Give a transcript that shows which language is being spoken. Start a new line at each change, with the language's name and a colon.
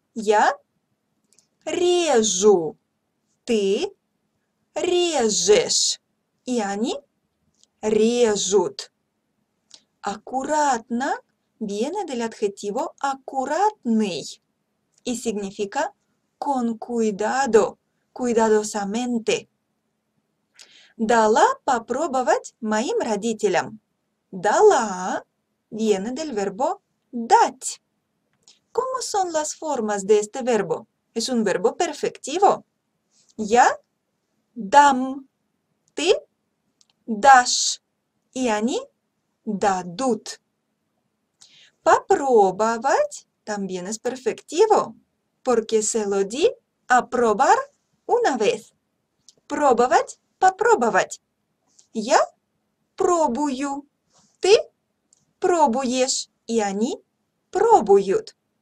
Russian: Я режу. Ты режешь. Y они режут.
Spanish: Аккуратно viene del adjetivo аккуратный y significa con cuidado, cuidadosamente.
Russian: Дала попробовать моим родителям.
Spanish: Дала viene del verbo дать. ¿Cómo son las formas de este verbo? Es un verbo perfectivo.
Russian: Я дам, ты дашь, и они дадут.
Spanish: Попробовать también es perfectivo. Porque se lo di a probar una vez.
Russian: Пробовать, попробовать. Я пробую. Ты пробуешь. И они пробуют.